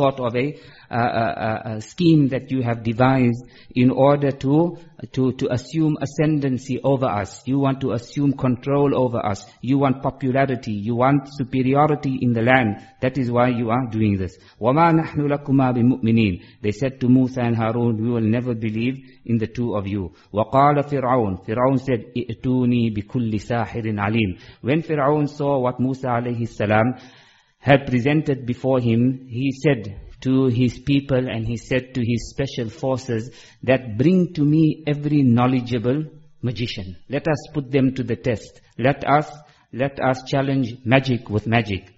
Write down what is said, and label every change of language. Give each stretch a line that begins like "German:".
English: This is a sort of a scheme that you have devised in order to assume ascendancy over us. You want to assume control over us. You want popularity. You want superiority in the land. That is why you are doing this.
Arabic: وَمَا نَحْنُ لَكُمَا بِمُؤْمِنِينَ.
English: They said to Musa and Harun, we will never believe in the two of you.
Arabic: وَقَالَ فِرْعَوْنَ.
English: Fir'aun said,
Arabic: اِئْتُونِي بِكُلِّ سَاحِرٍ عَلِيمٍ.
English: When Fir'aun saw what Musa alayhi salam had presented before him, he said to his people and he said to his special forces that bring to me every knowledgeable magician. Let us put them to the test. Let us challenge magic with magic.